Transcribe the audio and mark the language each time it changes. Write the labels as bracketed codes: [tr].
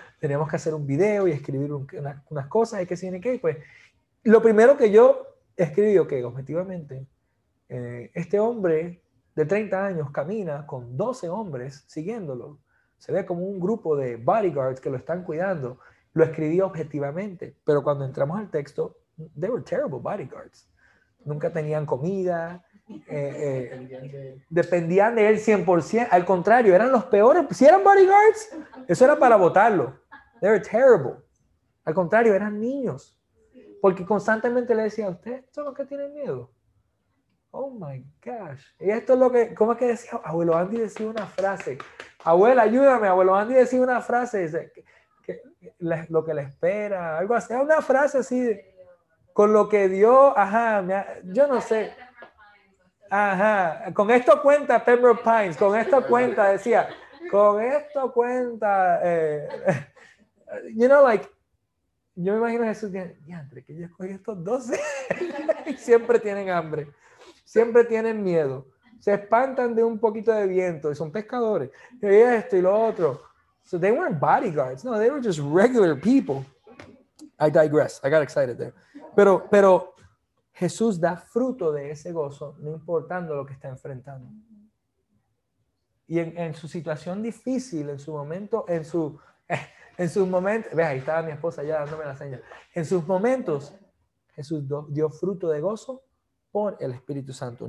[es] Teníamos que hacer un video y escribir unas cosas. ¿Y qué tiene que ir? Pues, lo primero que yo escribí, ok, objetivamente, este hombre de 30 años camina con 12 hombres siguiéndolo. Se ve como un grupo de bodyguards que lo están cuidando. Lo escribí objetivamente. Pero cuando entramos al texto, [en] they were terrible bodyguards. [es] Nunca tenían comida, dependían de él 100%. Al contrario, eran los peores. Si eran bodyguards, eso era para botarlo. [en] They were terrible. [es] Al contrario, eran niños. Porque constantemente le decía, ¿ustedes son los que tienen miedo? [en] Oh my gosh. [es] Y esto es lo que, ¿cómo es que decía? Abuelo Andy decía una frase. Abuela, ayúdame. Abuelo Andy decía una frase. Lo que le espera, algo así. Una frase así de, con lo que Dios, yo no sé. Ajá, con esto cuenta Pembroke Pines, con esto cuenta, decía, con esto cuenta. [en] You know, like, [es] yo me imagino a Jesús diciendo, que yo escogí estos 12. Siempre tienen hambre, siempre tienen miedo, se espantan de un poquito de viento, y son pescadores, y esto y lo otro. [en] So they weren't bodyguards, no, they were just regular people. I digress, I got excited there. [es] Pero Jesús da fruto de ese gozo, no importando lo que está enfrentando. Y en su situación difícil, en su momento, ve, ahí estaba mi esposa ya dándome la seña. En sus momentos, Jesús dio fruto de gozo por el Espíritu Santo.